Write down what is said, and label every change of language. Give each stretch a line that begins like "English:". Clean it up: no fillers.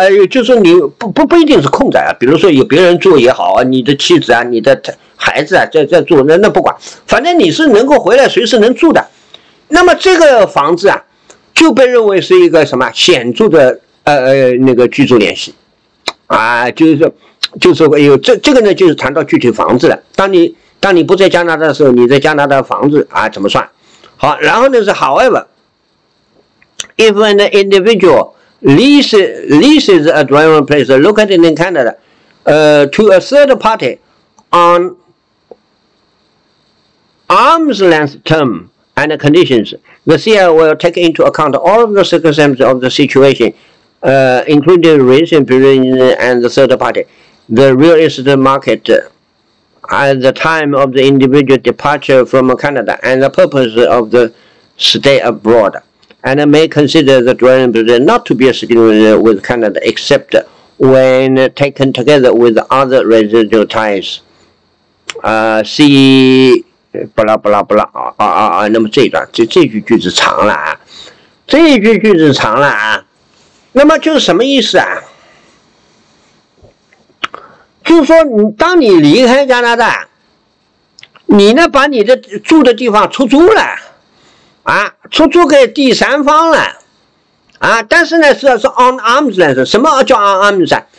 Chinese: 就是你不一定是空着啊，比如说有别人住也好啊，你的妻子啊，你的孩子啊在住，那不管，反正你是能够回来随时能住的。那么这个房子啊就被认为是一个什么显著的那个居住联系啊，就是有这个呢，就是谈到具体房子了。当你不在加拿大的时候，你在加拿大房子啊怎么算？好，然后呢是
English: however，if an individual leases a dwelling place located in Canada, to a third party on arm's length term and conditions, the CIA will take into account all of the circumstances of the situation. Including recent period and the third party, the real estate market at the time of the individual departure from Canada and the purpose of the stay abroad, and may consider the dwelling place not to be a significant with Canada except when taken together with other residential ties. See, blah blah blah.
Chinese: 那么这一段，这句句子长了啊，这一句句子长了啊。那么就是什么意思啊？就是说你当你离开加拿大，你呢把你的住的地方出租了啊，出租给第三方了啊，但是呢是
English: on arms
Chinese: 来说，什么叫 on arms 啊？